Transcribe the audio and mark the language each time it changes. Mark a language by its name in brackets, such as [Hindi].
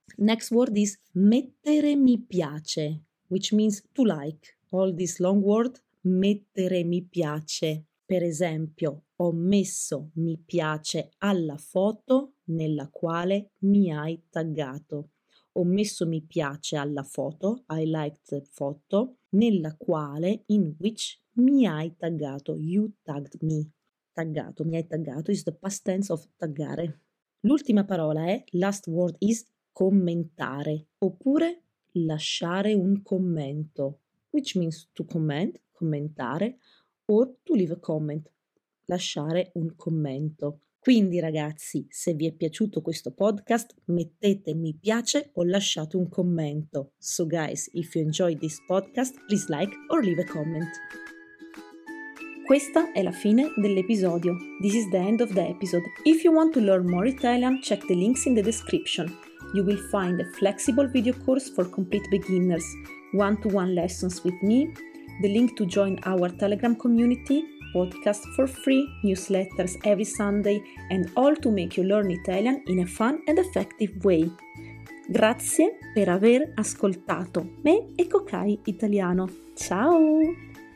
[English] Next word is mettere mi piace, which means to like. All this long word, mettere mi piace. [Italian] Per esempio, ho messo mi piace alla foto nella quale mi hai taggato. Ho messo mi piace alla foto, [English] I liked the photo, [Italian] nella quale, [English] in which, [Italian] mi hai taggato. [English] You tagged me. Taggato, [Italian] mi hai taggato, [English] is the past tense of taggare. [Italian] L'ultima parola è, [English] last word is, [Italian] commentare, oppure lasciare un commento, [English] which means to comment, [Italian] commentare, [English] or to leave a comment, [Italian] lasciare un commento. Quindi ragazzi, se vi è piaciuto questo podcast, mettete mi piace o lasciate un commento. [English] So guys, if you enjoyed this podcast, please like or leave a comment. [Italian] Questa è la fine dell'episodio. [English] This is the end of the episode. If you want to learn more Italian, check the links in the description. You will find a flexible video course for complete beginners, one-to-one lessons with me, the link to join our Telegram community, podcast for free, newsletters every Sunday, and all to make you learn Italian in a fun and effective way. [Italian] Grazie per aver ascoltato me e Kokai Italiano. Ciao!